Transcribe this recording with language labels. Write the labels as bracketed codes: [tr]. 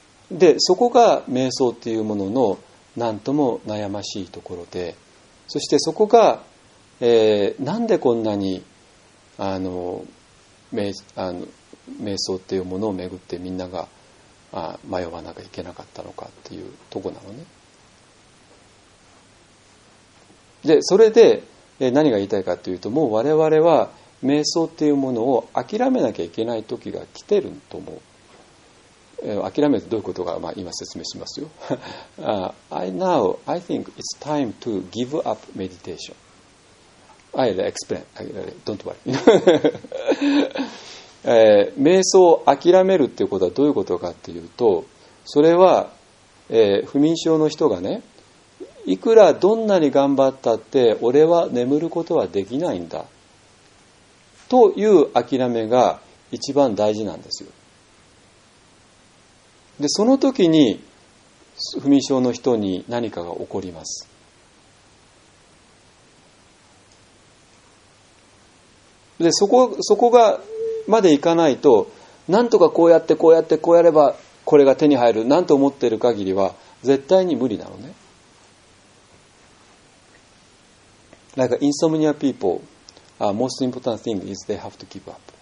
[ja] で、そこが瞑想っていうものの何とも悩ましいところで、そしてそこが、なんでこんなに瞑想っていうものをめぐってみんなが迷わなきゃいけなかったのかっていうとこなのね。で、それで、何が言いたいかというと、もう我々は瞑想っていうものを諦めなきゃいけない時が来てると思う。諦めてどういうことか、まあ、今説明しますよ。 [en] I think it's time to give up meditation. I'll explain. Don't worry. [ja] 瞑想を諦めるっていうことはどういうことかっていうと、それは、不眠症の人がね、いくらどんなに頑張ったって俺は眠ることはできないんだという諦めが一番大事なんですよ。で、その時に不眠症の人に何かが起こります。で、そこがまでいかないと、なんとかこうやってこうやってこうやればこれが手に入るなんて思っている限りは絶対に無理なのね。 [en] Like insomnia people, most important thing is they have to give up.